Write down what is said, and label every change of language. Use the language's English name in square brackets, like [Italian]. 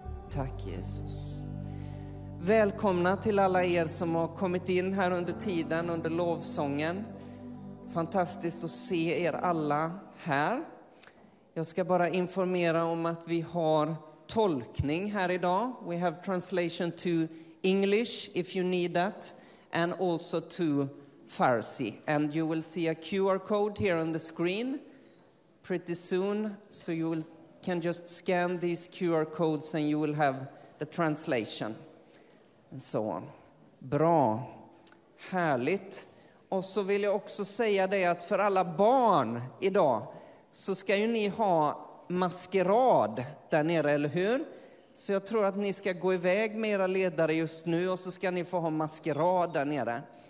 [Swedish] Tack, Jesus. Välkomna till alla er som har kommit in här under tiden, under lovsången. Fantastiskt att se er alla här. Jag ska bara informera om att vi har tolkning här idag. [English] We have translation to English if you need that. And also to Farsi. And you will see a QR code here on the screen pretty soon. So you can just scan these QR codes and you will have the translation. And so on. [Swedish] Bra. Härligt. Och så vill jag också säga det att för alla barn idag så ska ju ni ha maskerad där nere, eller hur? Så jag tror att ni ska gå iväg med era ledare just nu och så ska ni få ha maskerad där nere.